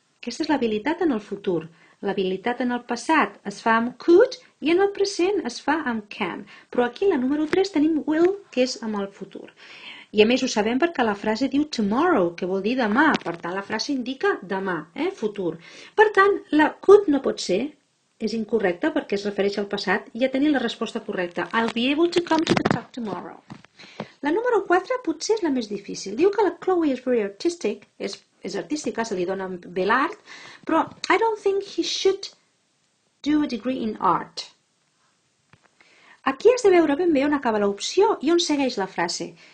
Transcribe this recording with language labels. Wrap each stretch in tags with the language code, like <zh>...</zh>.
<ca>Aquesta és l'habilitat en el futur. L'habilitat en el passat es fa amb could i en el present es fa amb can. Però aquí en la número 3 tenim will, que és amb el futur. I a més ho sabem perquè la frase diu tomorrow, que vol dir demà. Per tant, la frase indica demà, futur. Per tant, la could no pot ser, és incorrecta perquè es refereix al passat, i a tenir la resposta correcta.</ca> <en>I'll be able to come to the talk tomorrow.</en> <ca>La número 4 potser és la més difícil. Diu que la Chloe</ca> <en>is very artistic,</en> <ca>és artística, se li dona bé l'art, però</ca> <en>I don't think he should do a degree in art.</en> <ca>Aquí has de veure ben bé on acaba l'opció i on segueix la frase.</ca>